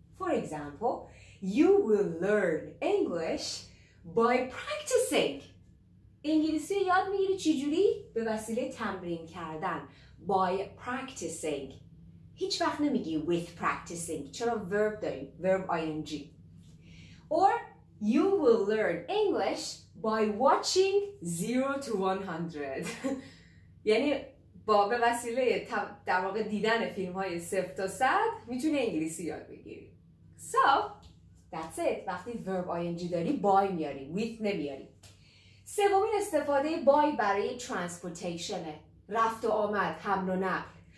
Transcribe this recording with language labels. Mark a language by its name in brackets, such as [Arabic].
[English] For example، You will learn English by practicing. [Persian] انگلیسی یاد میگیری چجوری؟ به وسیله تمرین کردن. [English] By practicing. [Persian] هیچ وقت نمیگی [English] with practicing. [Persian] چرا verb داریم؟ verb ing. [English] Or you will learn English by watching 0 to 100. [Persian] یعنی با به وسیله در واقع دیدن فیلم های 0 تا 100 میتونی انگلیسی یاد بگیری. [English] So That's it. [Persian] وقتی verb ing داری by میاری، with نمیاری. سومین استفاده by برای transportation، رفت و آمد، حمل و نقل.